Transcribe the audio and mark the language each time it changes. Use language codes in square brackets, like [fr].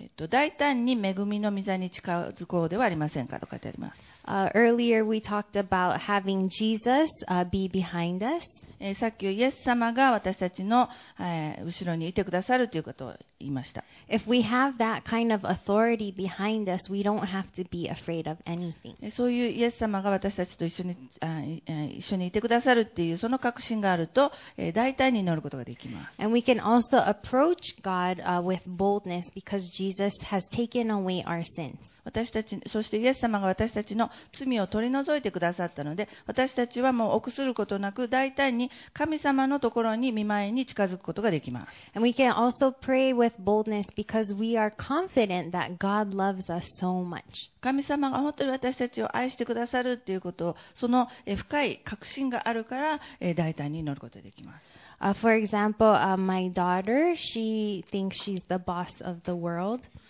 [ja] 大胆に恵みの御座に近づこうではありませんかと書いてあります。 [en] Earlier we talked about having Jesus be behind us. [ja] さっきイエス様が私たちの後ろにいてくださるということを言いました。 [en] If we have that kind of authority behind us, we don't have to be afraid of anything. [ja] そういうイエス様が私たちと一緒にいてくださるっていうその確信があると大胆に乗ることができます。 [en] And we can also approach God with boldness because Jesus has taken away our sins. [ja] 私たちそしてイエス様が私たちの罪を取り除いてくださったので私たちはもう臆することなく大胆に神様のところに御前に近づくことができます。 [en] And we can also pray with boldness because we are confident that God loves us so much. [ja] 神様が本当に私たちを愛してくださるということをその深い確信があるから大胆に祈ることができます。 [en] For example, my daughter, she thinks she's the boss of the world.